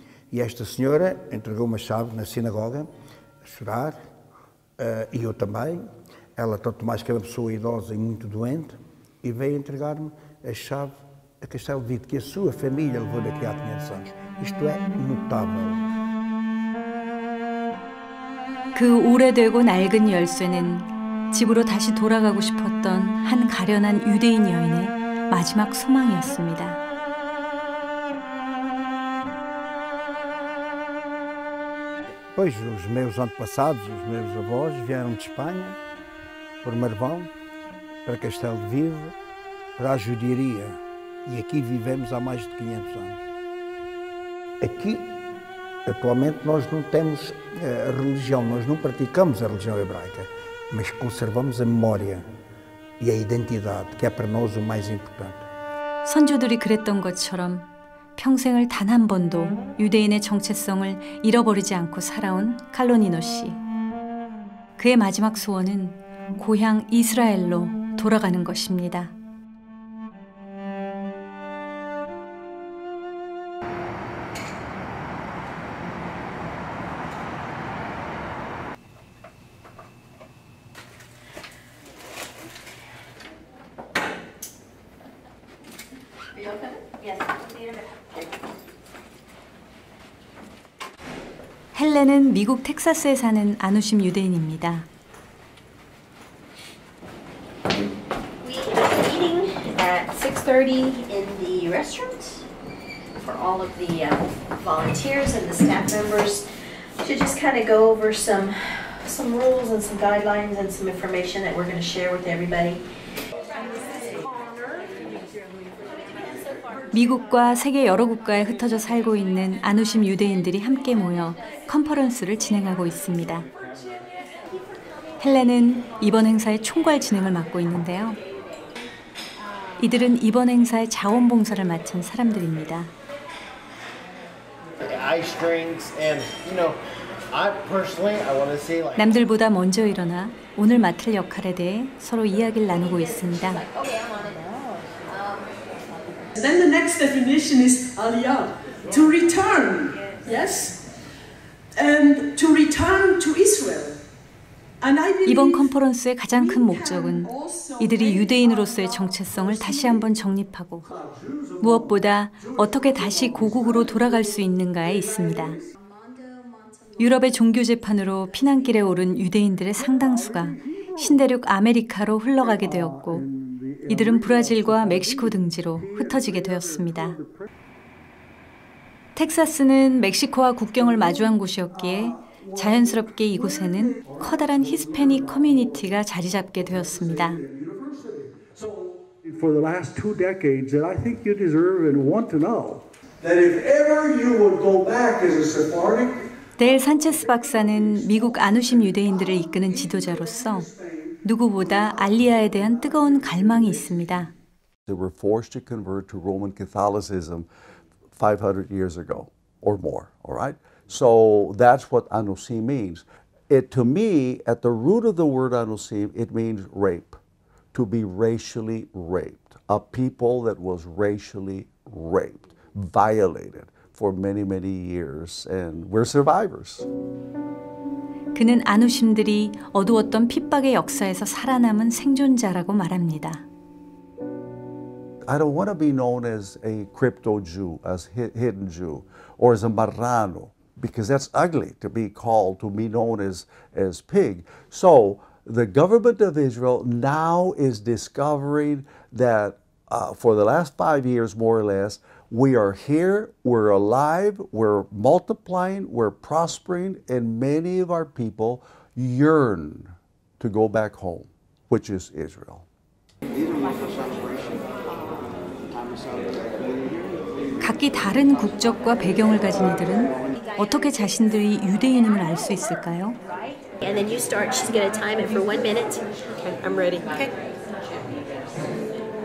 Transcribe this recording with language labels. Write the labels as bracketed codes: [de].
[pt] E esta senhora entregou uma chave na sinagoga, a chorar, e eu também. Ela, tanto mais que é uma pessoa idosa e muito doente, e veio entregar-me a chave a Castelo de Vide, que a sua família levou daqui há 500 anos. Isto é notável. [ko] 그 오래되고 낡은 열쇠는 집으로 다시 돌아가고 싶었던 한 가련한 유대인 여인의 마지막 소망이었습니다. 그리고 [pt] os meus antepassados, os meus avós vieram de Espanha por Marvão para Castelo de Vide, para a judiaria, e aqui vivemos há mais de 500 anos. Aqui atualmente nós não temos a religião, nós não praticamos a religião hebraica, mas conservamos a memória e a identidade, que é para nós o mais importante. [ko] 선조들이 그랬던 것처럼 평생을 단 한 번도 유대인의 정체성을 잃어버리지 않고 살아온 칼로니노 씨. 그의 마지막 소원은 고향 이스라엘로 돌아가는 것입니다. [en] Yes. [ko] 헬렌은 미국 텍사스에 사는 아누심 유대인입니다. [en] We are meeting at 6:30 in the restaurant for all of the volunteers and the staff members to just kind of go over some rules and some guidelines and some information that we're going to share with everybody. [ko] 미국과 세계 여러 국가에 흩어져 살고 있는 아누심 유대인들이 함께 모여 컨퍼런스를 진행하고 있습니다. 헬렌은 이번 행사의 총괄 진행을 맡고 있는데요. 이들은 이번 행사의 자원봉사를 맡은 사람들입니다. [en] I personally want to say [ko] 남들보다 먼저 일어나 오늘 맡을 역할에 대해 서로 이야기를 나누고 있습니다. [en] Then the next definition is aliyah, to return, yes, and to return to Israel. [ko] 이번 컨퍼런스의 가장 큰 목적은 이들이 유대인으로서의 정체성을 다시 한번 정립하고 무엇보다 어떻게 다시 고국으로 돌아갈 수 있는가에 있습니다. 유럽의 종교 재판으로 피난길에 오른 유대인들의 상당수가 신대륙 아메리카로 흘러가게 되었고 이들은 브라질과 멕시코 등지로 흩어지게 되었습니다. 텍사스는 멕시코와 국경을 마주한 곳이었기에 자연스럽게 이곳에는 커다란 히스패닉 커뮤니티가 자리 잡게 되었습니다. [en] For the last two decades that I think you deserve and want to know that if ever you would go back as a Sephardic [ko] 데일 산체스 박사는 미국 아누심 유대인들을 이끄는 지도자로서 누구보다 알리아에 대한 뜨거운 갈망이 있습니다. [en] They were forced to convert to Roman Catholicism 500 years ago or more, all right? So that's what anusim means. It to me at the root of the word anusim it means rape, to be racially raped, a people that was racially raped, violated for many many years and we're survivors. [ko] 그는 아누심들이 어두웠던 핍박의 역사에서 살아남은 생존자라고 말합니다. [en] I don't want to be known as a crypto Jew, as hidden Jew or as a marrano. Because that's ugly to be called, to be known as pig. So the government of Israel now is discovering that for the last 5 years, more or less, we are here, we're alive, we're multiplying, we're prospering, and many of our people yearn to go back home, which is Israel. [ko] 각기 다른 국적과 배경을 가진 이들은 어떻게 자신들이 유대인임을 알 수 있을까요? [en] And then you start. She's gonna time it for 1 minute. Okay, I'm ready. Okay.